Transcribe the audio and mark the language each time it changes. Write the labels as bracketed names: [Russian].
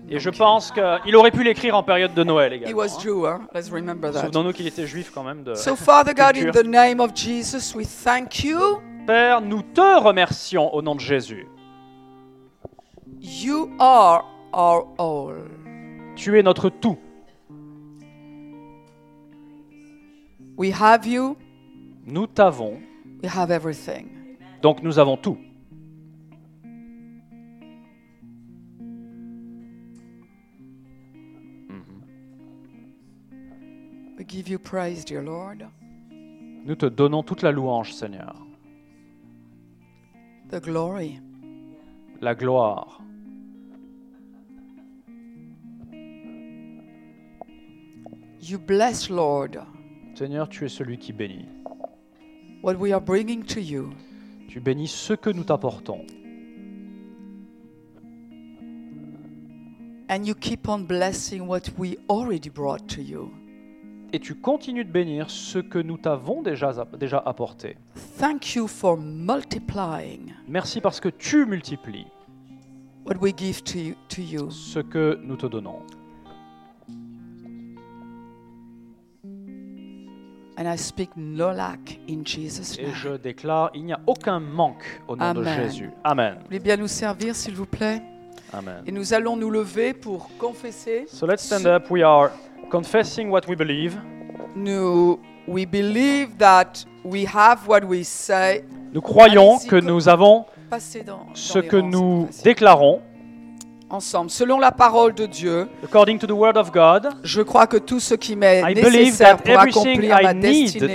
[French] Et je pense qu'il aurait pu l'écrire en période de Noël également. [English] He was Jew, hein? Let's remember that. [French] Souvenons-nous qu'il était juif quand même de. [English] So Father God, in the name of Jesus, we thank you. [French] Père, nous te remercions au nom de Jésus. [English] You are our all. [French] Tu es notre tout. [English] We have you. [French] Nous t'avons. [English] We have everything. [French] Donc nous avons tout. [English] We give you praise, dear Lord. [French] Nous te donnons toute la louange, Seigneur. [English] The glory. [French] La gloire. [English] You bless, Lord. [French] Seigneur, tu es celui qui bénit. [English] What we are bringing to you. [French] Tu bénis ce que nous t'apportons. [English] And you keep on blessing what we already brought to you. [French] Et tu continues de bénir ce que nous t'avons déjà apporté. [English] Thank you for multiplying. [French] Merci parce que tu multiplies. [English] What we give to you. [French] Ce que nous te donnons. [English] And I speak no lack in Jesus' name. [French] Et je déclare, il n'y a aucun manque au nom Amen. De Jésus. Amen. Vous voulez bien nous servir, s'il vous plaît. Amen. Et nous allons nous lever pour confesser. [English] So let's stand up. We are confessing what we believe. We believe that we have what we say. [French] Nous croyons que nous avons ce que nous déclarons. Ensemble, selon la parole de Dieu, [English] according to the word of God, [French] je crois que tout ce qui m'est nécessaire pour accomplir ma destinée